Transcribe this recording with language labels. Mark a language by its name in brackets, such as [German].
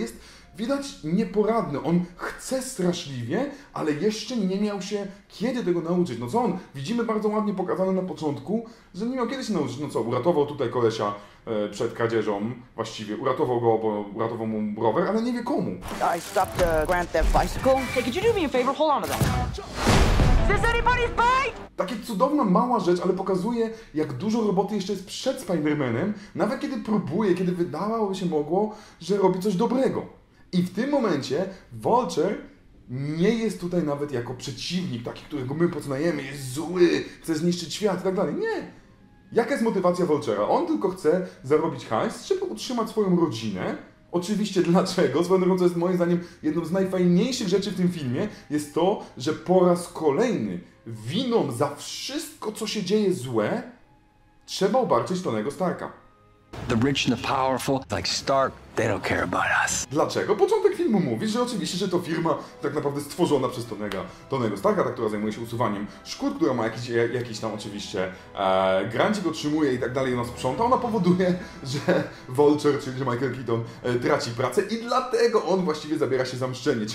[Polish] Jest widać nieporadny, on chce straszliwie, ale jeszcze nie miał się kiedy tego nauczyć. No co on, widzimy bardzo ładnie pokazane na początku, że nie miał kiedy się nauczyć. No co, uratował tutaj kolesia przed kradzieżą, właściwie uratował go, bo uratował mu rower, ale nie wie komu. [English] I stopped the Grand Theft bicycle. Hey, could you do me a favor? Hold on to that. Is this anybody's bike? [Polish] Taka cudowna mała rzecz, ale pokazuje, jak dużo roboty jeszcze jest przed Spider-Manem, nawet kiedy próbuje, kiedy wydawało się mogło, że robi coś dobrego. I w tym momencie Vulture nie jest tutaj nawet jako przeciwnik, taki, którego my poznajemy, jest zły, chce zniszczyć świat i tak dalej. Nie! Jaka jest motywacja Vulture'a? On tylko chce zarobić hajs, żeby utrzymać swoją rodzinę. Oczywiście dlaczego? Swoją drogą, co jest moim zdaniem jedną z najfajniejszych rzeczy w tym filmie, jest to, że po raz kolejny winą za wszystko, co się dzieje złe, trzeba obarczyć Tony'ego Starka. [English] The rich and the powerful, like Stark, they don't care about us. [Polish] Dlaczego? Początek filmu mówi, że oczywiście, że to firma tak naprawdę stworzona przez Tony'ego Starka, ta, która zajmuje się usuwaniem szkód, która ma jakiś tam oczywiście grancik otrzymuje i tak dalej, ona sprząta, ona powoduje, że Vulture, czyli że Michael Keaton, traci pracę i dlatego on właściwie zabiera się za mszczenie.